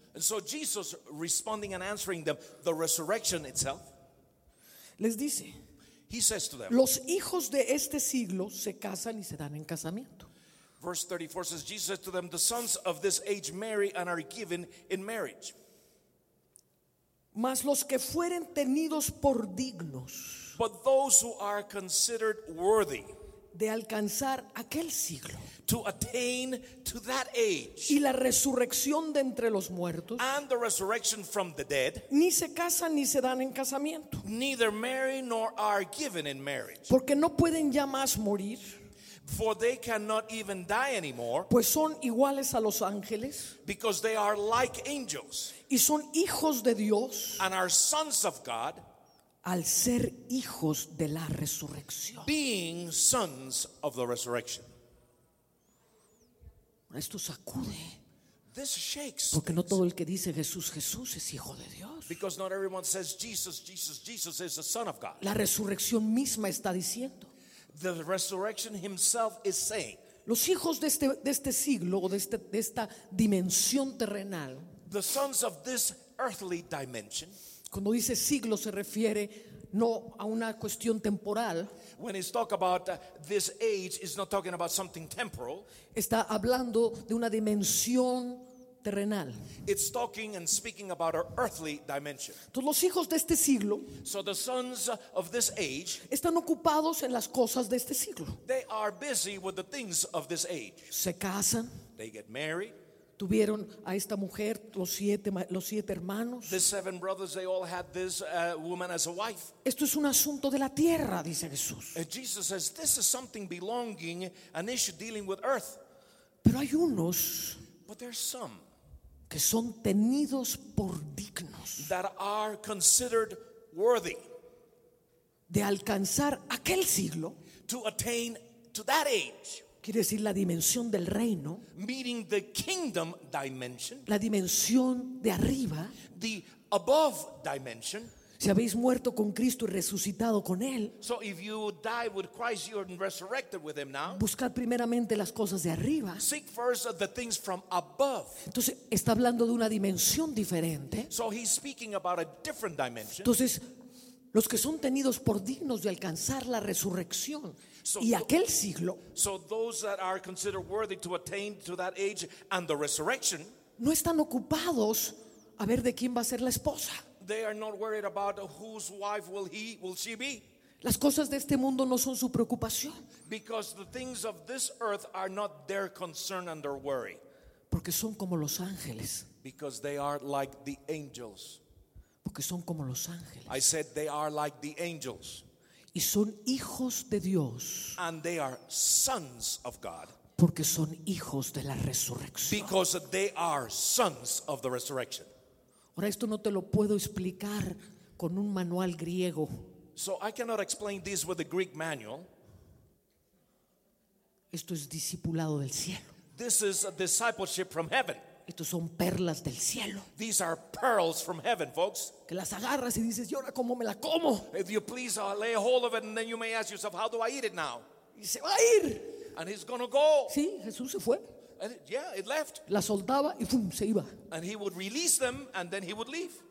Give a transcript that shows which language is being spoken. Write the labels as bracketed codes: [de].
[en] And so Jesus responding and answering them, the resurrection itself. [es] Les dice. [en] He says to them. [es] Los hijos de este siglo se casan y se dan en casamiento. [en] Verse 34 says, Jesus said to them, the sons of this age marry and are given in marriage. [es] Mas los que fueren tenidos por dignos. [en] But those who are considered worthy [es] de alcanzar aquel siglo, [en] to attain to that age, [es] y la resurrección de entre los muertos, [en] and the resurrection from the dead, [es] ni se casan ni se dan en casamiento, [en] neither marry nor are given in marriage, [es] porque no pueden ya más morir, [en] for they cannot even die anymore, [es] pues son iguales a los ángeles, [en] because they are like angels, [es] y son hijos de Dios, [en] and are sons of God. [es] Al ser hijos de la resurrección. [en] Being sons of the resurrection. [es] Esto sacude. [en] This shakes. [es] Porque no todo el que dice Jesús, Jesús es hijo de Dios. [en] Because not everyone says Jesus, Jesus, Jesus is the son of God. [es] La resurrección misma está diciendo. [en] The resurrection himself is saying. [es] Los hijos de este siglo o de esta dimensión terrenal. [en] The sons of this earthly dimension. [es] Cuando dice siglo se refiere no a una cuestión temporal. [en] When it's talk about this age, it's not talking about something temporal. [es] Está hablando de una dimensión terrenal. [en] It's talking and speaking about our earthly dimension. [es] Entonces, los hijos de este siglo, [en] so the sons of this age, [es] están ocupados en las cosas de este siglo. [en] They are busy with the things of this age. [es] Se casan. [en] They get married. [es] Tuvieron a esta mujer los siete hermanos. [en] The seven brothers, they all had this woman as a wife. [es] Esto es un asunto de la tierra, dice Jesús. [en] Jesus says this is something belonging, an issue dealing with earth. [es] Pero hay unos, [en] but there's some, [es] que son tenidos por dignos, [en] that are considered worthy, [es] de alcanzar aquel siglo, [en] to attain to that age. [es] Quiere decir la dimensión del reino, [en] meaning the kingdom dimension, [es] la dimensión de arriba, [en] the above dimension. [es] Si habéis muerto con Cristo y resucitado con él, [en] so if you die with Christ, you're resurrected with him now. [es] Buscad primeramente las cosas de arriba. [en] Seek first the things from above. [es] Entonces está hablando de una dimensión diferente. [en] So he's speaking about a different dimension. [es] Entonces los que son tenidos por dignos de alcanzar la resurrección. So, y aquel siglo, [en] so those that are considered worthy to attain to that age and the resurrection, [es] no están ocupados a ver de quién va a ser la esposa. [en] They are not worried about whose wife will she be. [es] Las cosas de este mundo no son su preocupación. [en] Because the things of this earth are not their concern and their worry. [es] Porque son como los ángeles. [en] Because they are like the angels. [es] Porque son como los ángeles. [en] I said they are like the angels. [es] Y son hijos de Dios. [en] And they are sons of God. [es] Porque son hijos de la resurrección. [en] Because they are sons of the resurrection. [es] Ahora esto no te lo puedo explicar con un manual griego. [en] So I cannot explain this with a Greek manual. [es] Esto es discipulado del cielo. [en] This is a discipleship from heaven. [es] Estos son perlas del cielo. [en] These are pearls from heaven, folks. [es] Que las agarras y dices, ¿y ahora cómo me la como? [en] If you please lay hold of it, and then you may ask yourself, how do I eat it now? [es] Y se va a ir. [en] And he's gonna go. [es] Sí, Jesús se fue. [en] And yeah, it left. [es] La soltaba y ¡fum!, se iba. [en] And he would release them, and then he would leave.